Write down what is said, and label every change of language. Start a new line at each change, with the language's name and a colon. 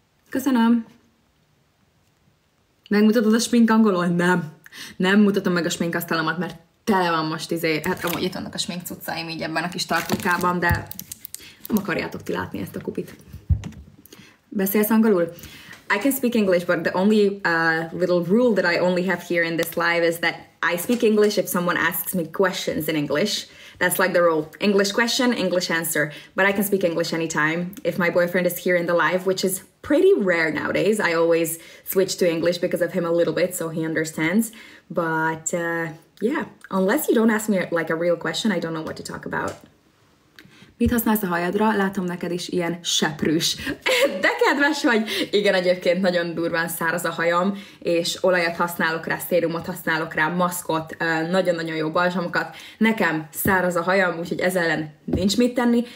Hungarian: Köszönöm! Megmutatod a sminkangolón? Nem. Nem mutatom meg a sminkasztalamat, mert tele van most hát amúgy itt vannak a smink cuccaim így ebben a kis tartókában, de nem akarjátok ti látni ezt a kupit. Beszélsz angolul?
English: I can speak English, but the only little rule that I only have here in this live is that I speak English if someone asks me questions in English. That's like the rule. English question, English answer. But I can speak English anytime. If my boyfriend is here in the live, which is pretty rare nowadays. I always switch to English because of him a little bit, so he understands. But yeah, unless you don't ask me like a real question, I don't know what to talk about.
Hungarian: Mit használsz a hajadra? Látom, neked is ilyen seprűs. De kedves vagy! Igen, egyébként nagyon durván száraz a hajam, és olajat használok rá, szérumot használok rá, maszkot, nagyon-nagyon jó balzsamokat. Nekem száraz a hajam, úgyhogy ez ellen nincs mit tenni.